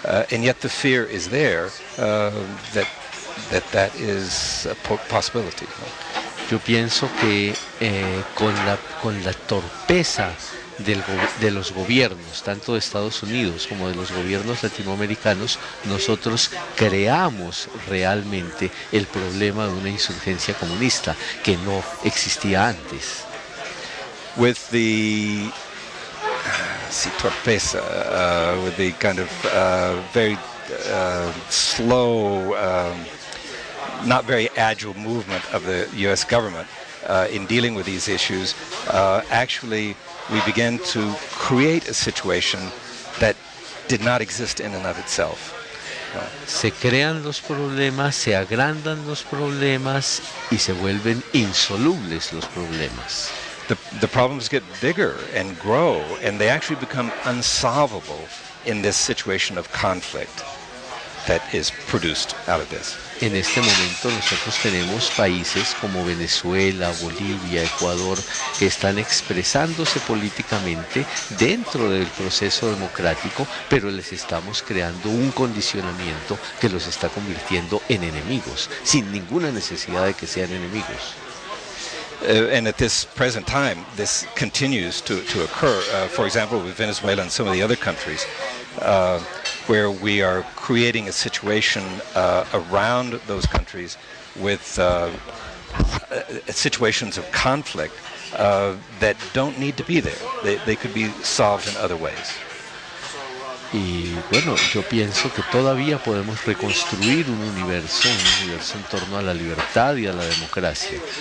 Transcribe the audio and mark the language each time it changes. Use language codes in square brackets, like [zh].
[en] And yet the fear is there that is a possibility. [es] Yo pienso que con la torpeza de los gobiernos, tanto de Estados Unidos como de los gobiernos latinoamericanos, nosotros creamos realmente el problema de una insurgencia comunista que no existía antes. [en] With the torpeza, with the kind of very slow, not very agile movement of the U.S. government in dealing with these issues, actually we began to create a situation that did not exist in and of itself. [es] Se crean los problemas, se agrandan los problemas, y se vuelven insolubles los problemas. [en] The problems get bigger and grow, and they actually become unsolvable in this situation of conflict that is produced out of this. [es] En este momento nosotros tenemos países como Venezuela, Bolivia, Ecuador, que están expresándose políticamente dentro del proceso democrático, pero les estamos creando un condicionamiento que los está convirtiendo en enemigos, sin ninguna necesidad de que sean enemigos. [en] And at this present time, this continues to occur, for example, with Venezuela and some of the other countries, where we are creating a situation around those countries with situations of conflict that don't need to be there. They could be solved in other ways. [es] Y bueno, yo pienso que todavía podemos reconstruir un universo en torno a la libertad y a la democracia.